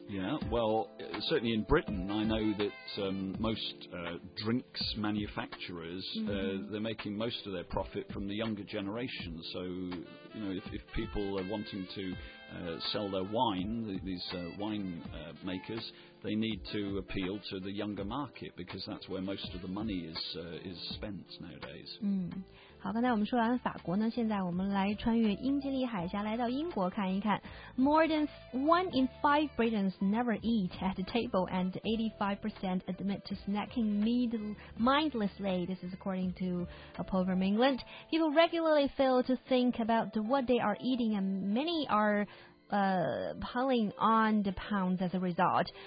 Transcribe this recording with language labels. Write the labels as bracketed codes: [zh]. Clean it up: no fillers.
[en] Yeah, well, certainly in Britain, I know that most drinks manufacturers, they're making most of their profit from the younger generation. So, you know, if people are wanting to sell their wine, these wine makers, they need to appeal to the younger market, because that's where most of the money is spent nowadays. [zh] 好，刚才我们说完法国呢，现在我们来穿越英吉利海峡来到英国看一看。 [en] More than one in five Britons never eat at the table and 85% admit to snacking mindlessly. This is according to a poll from England. People regularly fail to think about what they are eating and many arepiling on the pounds as a result.